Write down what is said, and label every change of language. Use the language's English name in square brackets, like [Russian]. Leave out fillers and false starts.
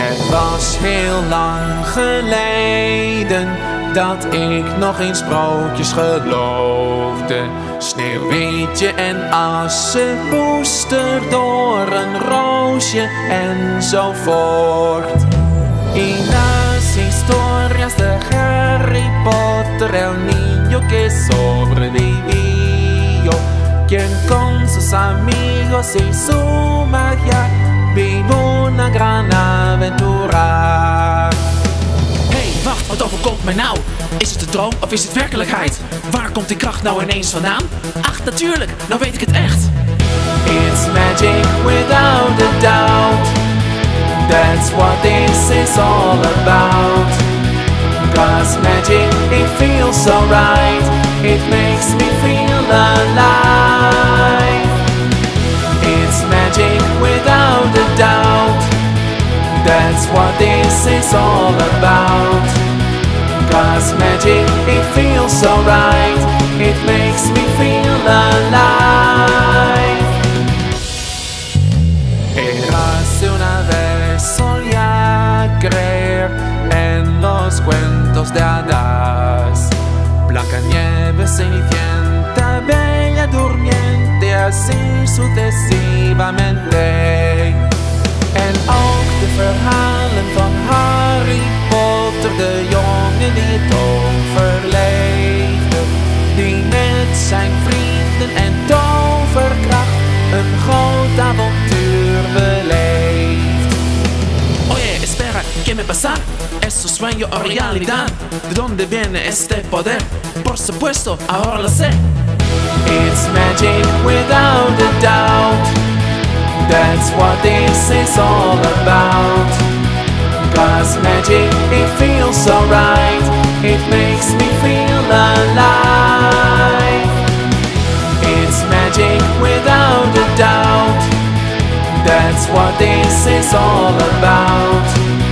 [Dutch] was heel lang geleden dat ik nog in sprookjes geloofde. Sneeuwwitje en Assepoester, door een roosje enzovoort. [Spanish] In las historias de Harry Potter, el niño que sobrevivió, quien con sus amigos y su magia vino una gran aventura. [Dutch] Wacht, wat overkomt mij nou? Is het een droom of is het werkelijkheid? Waar komt die kracht nou ineens vandaan? Ach, natuurlijk, nou weet ik het echt. [English] It's magic without a doubt. That's what this is all about. Cause magic, it feels so right. It makes me feel alive. It's magic without a doubt. That's what this is all about. Cause magic, it feels so right. It makes me feel alive. [Spanish] Érase una vez, solía creer en los cuentos de hadas. Blancanieves, Cenicienta, Bella Durmiente, así sucesivamente. [Dutch] En ook de verhalen van Harry Potter, de jongen die het overleefde, die met zijn vrienden en toverkracht een groot avontuur beleeft. [Spanish] Oye, espera, ¿qué me pasa? Es un sueño o realidad? ¿De dónde viene este poder? Por supuesto, ahora lo sé. [English] It's magic without a doubt. That's what this is all about. Cause magic, it feels so right. It makes me feel alive. It's magic without a doubt. That's what this is all about.